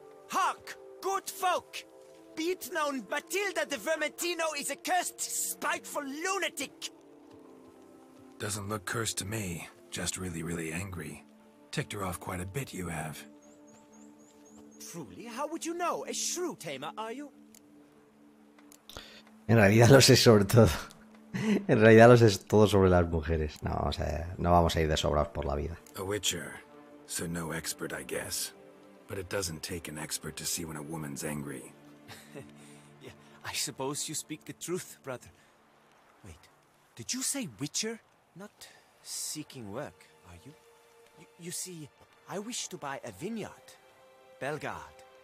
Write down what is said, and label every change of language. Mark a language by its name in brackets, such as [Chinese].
[English] Hark! Good folk! Be it known, Matilda de Vermentino is a cursed, spiteful lunatic! Doesn't look cursed to me. Just really, really angry. Ticked her off quite a bit, you have. Truly, how would you know? A shrew tamer, are you? [Spanish] En realidad lo sé sobre todo. En realidad lo sé todo sobre las mujeres. No, o sea, no vamos a ir de sobrados por la vida. [English] A witcher. So no expert, I guess. But it doesn't take an expert to see when a woman's angry. Yeah, I suppose you speak the truth, brother. Wait, did you say witcher? Not seeking work, are you? You see, I wish to buy a vineyard. Belgard.